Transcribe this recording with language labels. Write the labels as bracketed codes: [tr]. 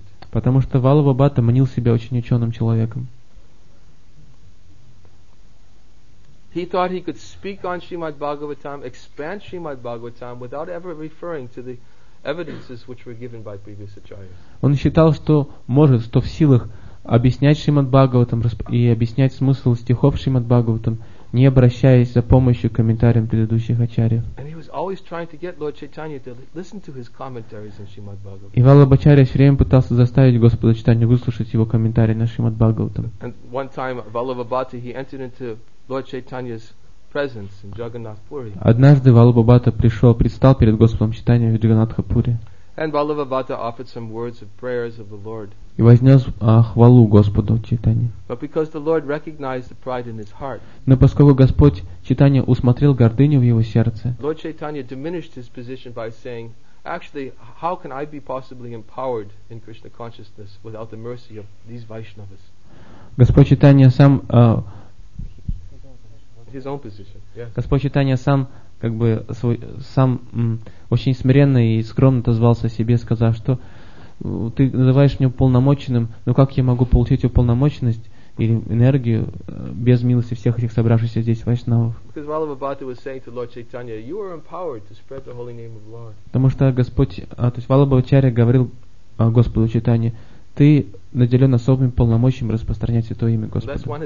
[ru] Потому что Валлабхабхатта манил себя очень ученым человеком. [en] He thought he could speak on Shrimad Bhagavatam, expand Shrimad Bhagavatam without ever referring to the evidences which were given by previous acharyas. [ru] Он считал, что может, что в силах объяснять Шримад Бхагаватам и объяснять смысл стихов Шримад Бхагаватам, не обращаясь за помощью к комментариям предыдущих ачарьев. [en] And he was always trying to get Lord Chaitanya to listen to his commentaries on Shrimad Bhagavatam. [ru] И Валлабхачарья все время пытался заставить Господа Чайтанью выслушать его комментарии на Шримад Бхагаватам. [en] And one time Vallabhabhatta, he entered into Lord Chaitanya's presence in Jagannath Puri. [ru] Однажды Валлабхабхатта пришел, предстал перед Господом Чайтанья в Джаганнатхапуре. [en] And Valabhabhatta offered some words of prayers of the Lord. [ru] И вознес хвалу Господу Чайтанье. [en] But because the Lord recognized the pride in his heart. [ru] Но поскольку Господь Чайтанья усмотрел гордыню в его сердце. [en] Lord Chaitanya diminished his position by saying, actually, how can I be possibly empowered in Krishna consciousness without the mercy of these Vaishnavas? [ru] Господь Чайтанья сам [en] his own position. Yes. [ru] Господь Чайтанья сам как бы свой, сам очень смиренно и скромно отозвался о себе, сказав, что ты называешь меня уполномоченным, но как я могу получить уполномоченность или энергию без милости всех этих собравшихся здесь вайшнавов? [en] Because Vallabhabhatta was saying to Lord Chaitanya, you are empowered to spread the holy name of Lord. [ru] Потому что Господь, то есть Валлабхачарья говорил Господу Чайтанье, ты наделен особым полномочием распространять святое имя Господа.